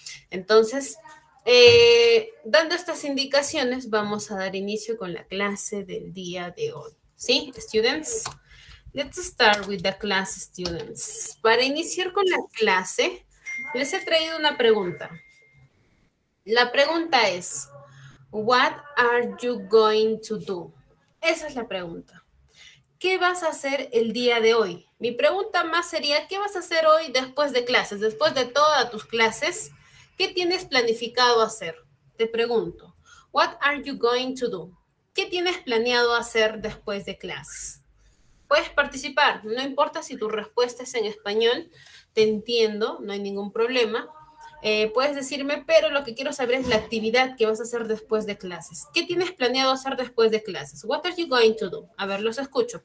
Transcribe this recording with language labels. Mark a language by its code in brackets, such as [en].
[es] Entonces, dando estas indicaciones, vamos a dar inicio con la clase del día de hoy, ¿sí? [en] Students, let's start with the class, students. [es] Para iniciar con la clase, les he traído una pregunta. La pregunta es, [en] what are you going to do? [es] Esa es la pregunta. ¿Qué vas a hacer el día de hoy? Mi pregunta más sería, ¿qué vas a hacer hoy después de clases, después de todas tus clases? ¿Qué tienes planificado hacer? Te pregunto, [en] what are you going to do? [es] ¿Qué tienes planeado hacer después de clases? Puedes participar, no importa si tu respuesta es en español, te entiendo, no hay ningún problema. Puedes decirme, pero lo que quiero saber es la actividad que vas a hacer después de clases. ¿Qué tienes planeado hacer después de clases? [en] What are you going to do? [es] A ver, los escucho.